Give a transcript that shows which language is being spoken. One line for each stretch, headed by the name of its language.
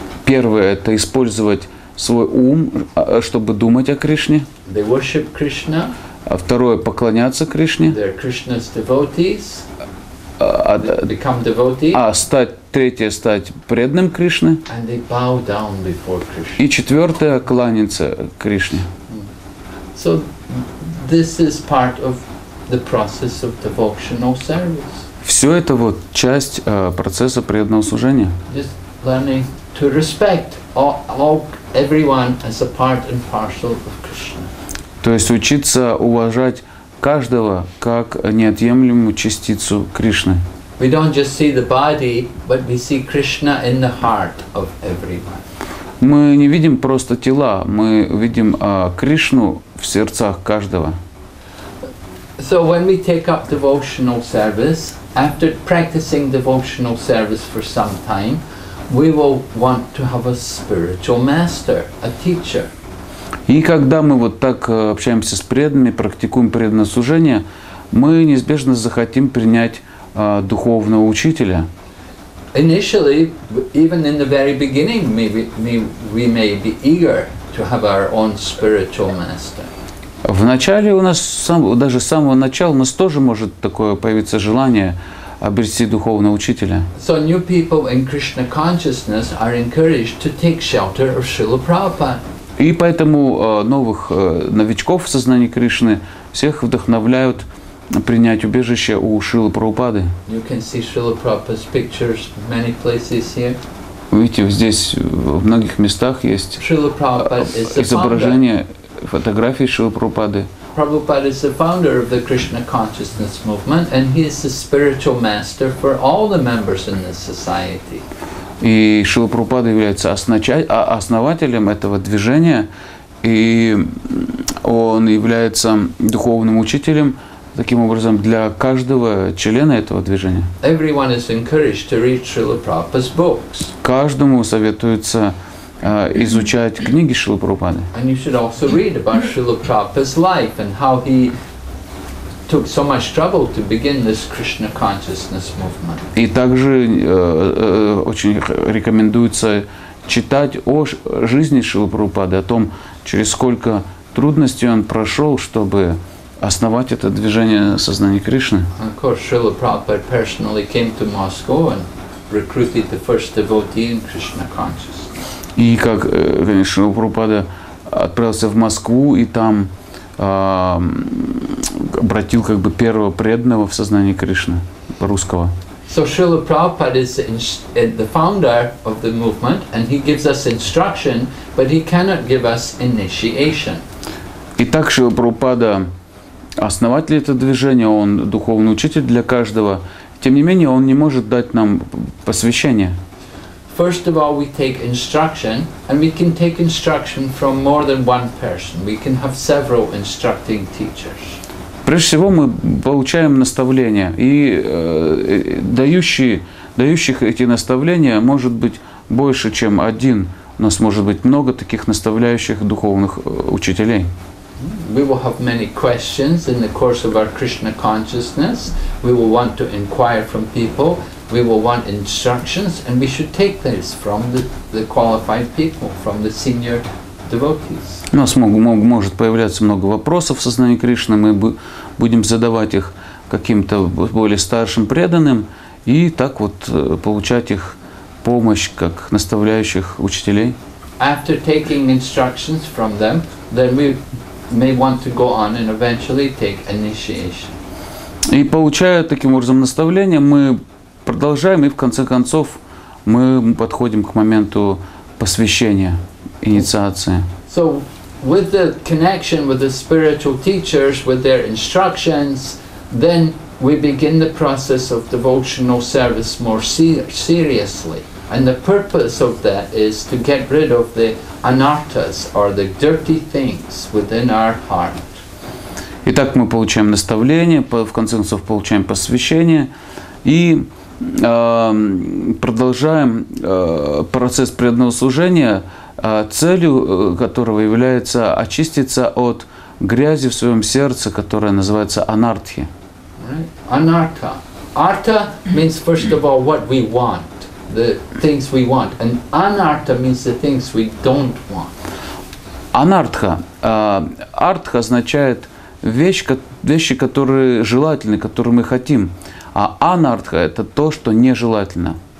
Russian: Первое – это использовать свой ум, чтобы думать о Кришне.
English: They worship Krishna.
Russian: А второе – поклоняться Кришне.
English: They're Krishna's devotees. Become devotees.
Russian: А третье – стать преданным Кришне.
English: And they bow down before Krishna.
Russian: И четвертое – кланяться Кришне.
English: So, this is part of the process of devotional service.
Russian: Все это вот часть процесса преданного служения.
English: Just learning to respect everyone as a part and parcel of Krishna.
Russian: То есть учиться уважать каждого как неотъемлемую частицу Кришны.
English: We don't just see the body, but we see Krishna in the heart of everyone.
Russian: Мы не видим просто тела, мы видим Кришну в сердцах каждого.
English: So when we take up devotional service, after practicing devotional service for some time, we will want to have a spiritual master, a teacher.
Russian: И когда мы вот так общаемся с преданными, практикуем преданное служение, мы неизбежно захотим принять духовного учителя.
English: Initially, even in the very beginning, we may be eager to have our own spiritual master.
Russian: В начале у нас, даже с самого начала, у нас тоже может такое появиться желание обрести духовного учителя.
English: So new people in Krishna consciousness are encouraged to take shelter of Srila Prabhupada.
Russian: И поэтому новых новичков в сознании Кришны всех вдохновляют принять убежище у Шрилы Прабхупады.
English: You can see Srila Prabhupada's pictures many places here.
Russian: Видите, здесь в многих местах есть изображение, фотографии Шрилы Прабхупады.
English: Prabhupada is the founder of the Krishna consciousness movement, and he is the spiritual master for all the members in this society.
Russian: И Шрила Прабхупада является основателем этого движения, и он является духовным учителем, таким образом, для каждого члена этого движения.
English: Everyone is encouraged to read Srila Prabhupada's books.
Russian: Каждому советуется изучать книги Шрилы Прабхупады.
English: And you should also read about Srila Prabhupada's life and how he took so much trouble to begin this Krishna consciousness movement.
Russian: И также очень рекомендуется читать о жизни Шрилы Прабхупады, о том, через сколько трудностей он прошел, чтобы основать это движение сознания Кришны.
English: Of course, Srila Prabhupada personally came to Moscow and recruited the first devotee in Krishna consciousness.
Russian: И как, конечно, Шрила Прабхупада отправился в Москву и там обратил как бы первого преданного в сознании Кришны, русского.
English: So Srila Prabhupada is the founder of the movement, and he gives us instruction, but he cannot give us initiation.
Russian: Итак, Шрила Прабхупада основатель этого движения, он духовный учитель для каждого. Тем не менее, он не может дать нам посвящение.
English: First of all, we take instruction, and we can take instruction from more than one person. We can have several instructing teachers.
Russian: Прежде всего, мы получаем наставления, и дающих эти наставления может быть больше, чем один. У нас может быть много таких наставляющих духовных учителей.
English: We will have many questions in the course of our Krishna consciousness. We will want to inquire from people. We will want instructions, and we should take this from the qualified people, from the senior devotees.
Russian: У нас может появляться много вопросов в сознании Кришны. Мы будем задавать их каким-то более старшим преданным и так вот получать их помощь как наставляющих учителей.
English: After taking instructions from them, then we may want to go on and eventually take initiation.
Russian: И получая таким образом наставление, мы продолжаем, и в конце концов мы подходим к моменту посвящения, инициации.
English: So with the connection with the spiritual teachers, with their instructions, then we begin the process of devotional service more seriously. And the purpose of that is to get rid of the anarthas, or the dirty things within our heart.
Russian: Итак, мы получаем наставление, в конце концов получаем посвящение, и продолжаем процесс преданного служения, целью которого является очиститься от грязи в своем сердце, которая называется анартхи.
English: Right. Anartha. Artha means, first of all, what we want. The things we want, and anartha means the things we don't want.
Russian: Anartha, artha означает вещи, которые желательны, которые мы хотим, а anartha это то, что нежелательно.